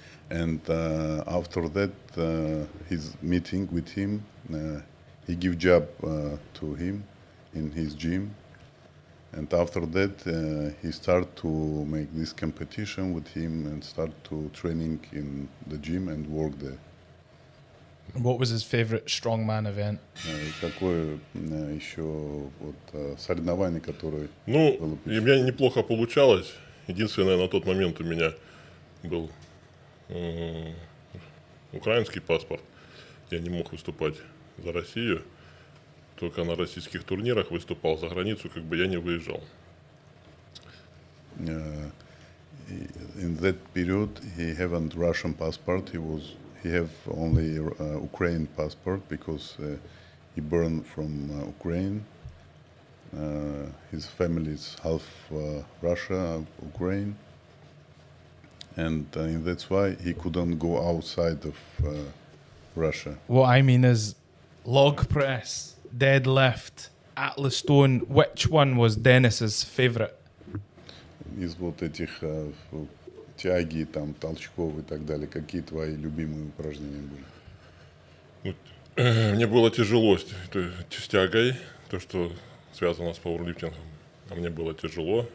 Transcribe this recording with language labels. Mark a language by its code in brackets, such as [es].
[en] And after that, his meeting with him, he give job to him in his gym. And after that, he start to make this competition with him and start to training in the gym and work there. What was his favorite strongman event? [ru] Какое еще вот соревнование, которое? Ну, у меня неплохо получалось. Единственное, на тот момент у меня был украинский паспорт. Я не мог выступать за Россию. Только на российских турнирах выступал за границу, как бы я не выезжал. [en] In that period, he haven't Russian passport. He have only Ukraine passport because he born from Ukraine. His family is half Russia, Ukraine, and that's why he couldn't go outside of Russia. What I mean is, log press, deadlift, Atlas stone. Which one was Denis's favorite? [ru] Из вот этих тяги, там, толчков и так далее, какие твои любимые упражнения были? Вот, мне было тяжело с тягой, то, что связано с пауэрлифтингом. А мне было тяжело.